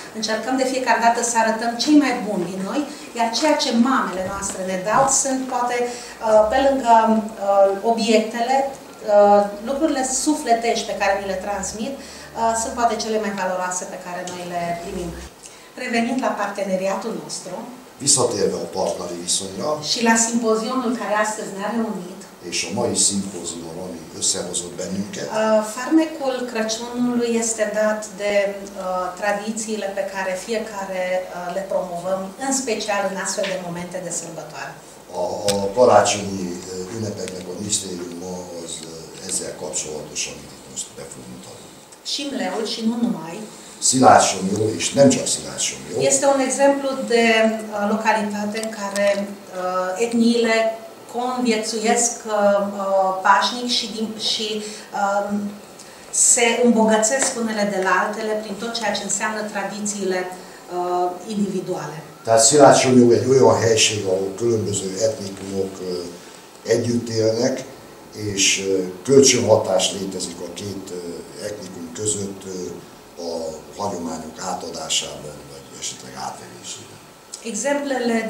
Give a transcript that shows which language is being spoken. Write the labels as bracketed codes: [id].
[ro] Încercăm de fiecare dată să arătăm cei mai buni din noi, iar ceea ce mamele noastre ne dau sunt, poate, pe lângă obiectele, lucrurile sufletești pe care ni le transmit, sunt poate cele mai valoroase pe care noi le primim. Revenind la parteneriatul nostru, [hu] visszatérve a partneri viszonyra, [ro] și la szimpoziumul care astăzi ne-a reunit, [hu] és a mai szimpozium, ami összehozott bennünket, [ro] farmecul Crăciunului este dat de tradițiile pe care fiecare le promovăm, în special în astfel de momente de sărbătoare. [hu] A karácsonyi ünnepeknek a misztériuma az ezzel kapcsolatosan, amit most be fog mutatni. [ro] Simleul și nu numai, [hu] Szilássomjó, és nem csak Szilássomjó. [ro] Este un exemplu de localitate în care etniile conviețuiesc pașnic și se îmbogățesc unele de la altele prin tot ceea ce înseamnă tradițiile individuale. [hu] Tehát Szilássomjó egy olyan helység, ahol különböző etnikumok együtt élnek, és kölcsönhatás létezik a két etnikum között, a hagyományok átadásában, vagy esetleg átvegésében.